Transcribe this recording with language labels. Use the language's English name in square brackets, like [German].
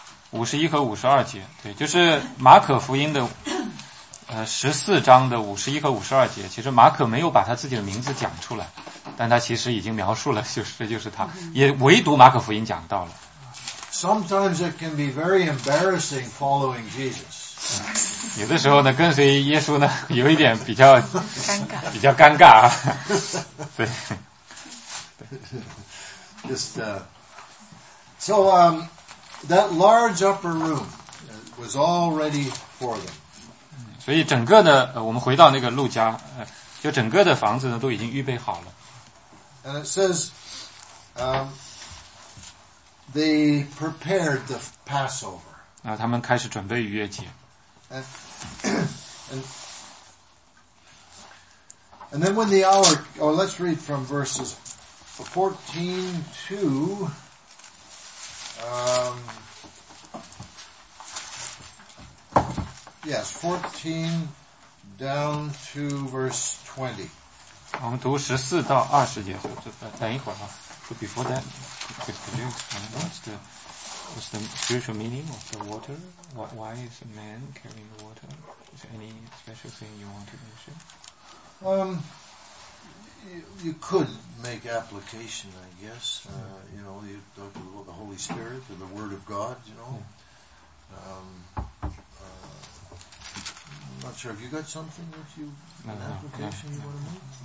[Chinese] 五十一和五十二节，对，就是马可福音的。十四章的五十一和五十二节，其实马可没有把他自己的名字讲出来，但他其实已经描述了，就是他，也唯独马可福音讲到了。 [English] Sometimes it can be very embarrassing following Jesus.、 [Chinese] 有的时候呢，跟随耶稣呢，有一点比较尴尬，比较尴尬、啊。对。 [English] So that large upper room was already for them. [Chinese] 所以整个的我们回到那个路加就整个的房子呢都已经预备好了。 [English] And it says, they prepared the Passover. [Chinese] 那他们开始准备逾越节。 [English] And then when the hour, oh, let's read from verses 14 to, Yes, 14 down to verse 20. [Chinese] 我们读十四到二十节，等一会儿哈。 [English] So before that, could you explain what's the spiritual meaning of the water? Why is a man carrying the water? Is there any special thing you want to mention? You could make application, I guess. You know, you talk about the Holy Spirit and the Word of God, you know.、I'm not sure. Have you got something that you, an application you want to make?